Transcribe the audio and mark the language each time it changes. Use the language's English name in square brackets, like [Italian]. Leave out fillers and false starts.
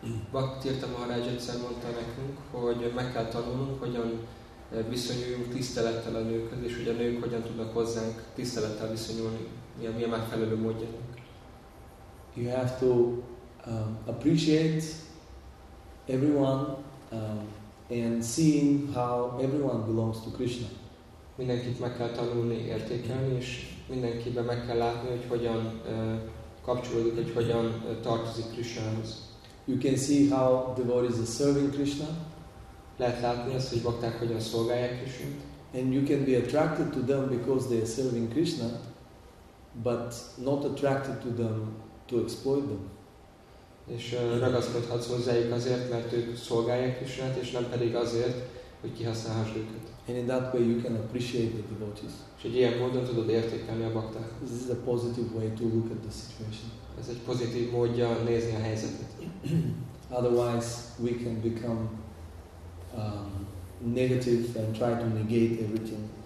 [Hungarian] Bhakti Tirtha Maharaj egyszer mondta nekünk, hogy meg kell tanulnunk, hogyan viszonyuljunk tisztelettel a nőkhöz, és hogy a nők hogyan tudnak hozzánk tisztelettel viszonyulni, mi a megfelelő módja. [English] You have to appreciate everyone and seeing how everyone belongs to Krishna. [Hungarian] Mindenkit meg kell tanulni értékelni, és mindenkiben meg kell látni, hogy hogyan kapcsolódik, hogy hogyan tartozik Krishnához. [English] You can see how devotees are serving Krishna. [Hungarian] Lehet látni azt, hogy bhakták hogyan szolgálják Krishnát. [English] And you can be attracted to them because they are serving Krishna, but not attracted to them to exploit them. [Hungarian] És ragaszkodhatsz hozzájuk azért, mert ők szolgálják Krishnát, és nem pedig azért, hogy kihasználhass őket. [English] And in that way you can appreciate the devotees. [Hungarian] És egy ilyen módon tudod értékelni a bhakták. [English] This is a positive way to look at the situation. [Hungarian] Ez egy pozitív módja nézni a helyzetet. [English] Otherwise we can become negative and try to negate everything.